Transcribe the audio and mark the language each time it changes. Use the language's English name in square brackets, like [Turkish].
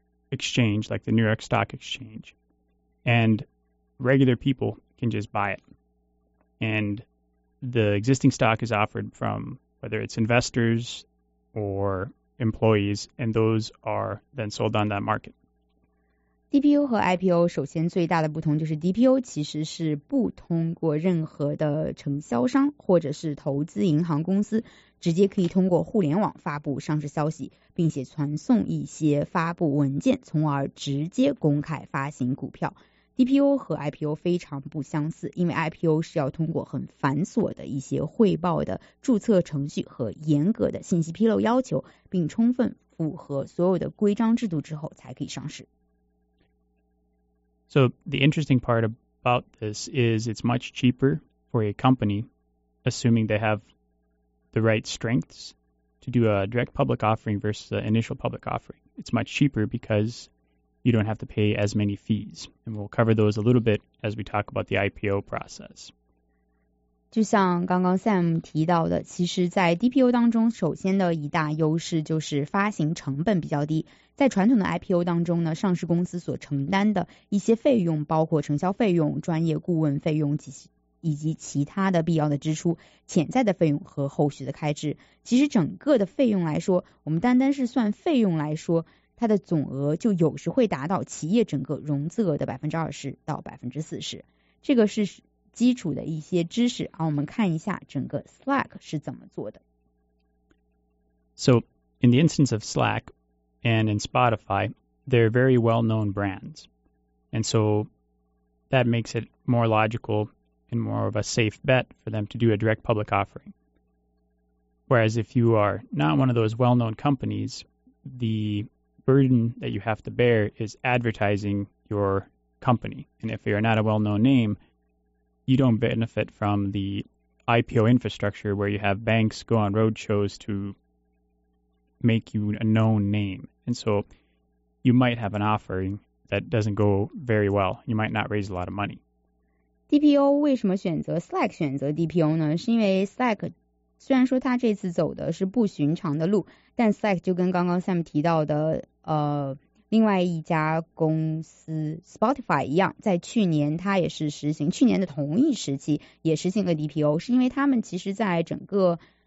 [English] exchange, like the New York Stock Exchange, and regular people can just buy it. And the existing stock is offered from whether it's investors or employees, and those are then sold on that market. [Chinese] DPO 和 IPO 首先最大的不同就是 DPO 其实是不通过任何的承销商或者是投资银行公司，直接可以通过互联网发布上市消息，并且传送一些发布文件，从而直接公开发行股票。 DPO 和 IPO 非常不相似，因为 IPO 是要通过很繁琐的一些汇报的注册程序和严格的信息披露要求，并充分符合所有的规章制度之后才可以上市。 [English] So the interesting part about this is it's much cheaper for a company, assuming they have the right strengths, to do a direct public offering versus an initial public offering. It's much cheaper because you don't have to pay as many fees. And we'll cover those a little bit as we talk about the IPO process. [Chinese] 就像刚刚 Sam 提到的，其实在 DPO 当中首先的一大优势就是发行成本比较低。在传统的 IPO 当中呢，上市公司所承担的一些费用，包括承销费用、专业顾问费用以及其他的必要的支出、潜在的费用和后续的开支。其实整个的费用来说，我们单单是算费用来说，它的总额就有时会达到企业整个融资额的20%-40%。这个是基础的一些知识，我们看一下整个 Slack 是怎么做的。 [English] So, in the instance of Slack and in Spotify, they're very well-known brands. And so, that makes it more logical and more of a safe bet for them to do a direct public offering. Whereas if you are not one of those well-known companies, the burden that you have to bear is advertising your company. And if you're not a well-known name,you don't benefit from the IPO infrastructure where you have banks go on roadshows to make you a known name. And so you might have an offering that doesn't go very well. You might not raise a lot of money. [Chinese] DPO 为什么选择 Slack 选择 DPO 呢？是因为 Slack 虽然说他这次走的是不寻常的路，但 Slack 就跟刚刚 Sam 提到的另外一家公司 Spotify 一样，在去年它也是实行，去年的同一时期也实行了 DPO， 是因为他们其实在整个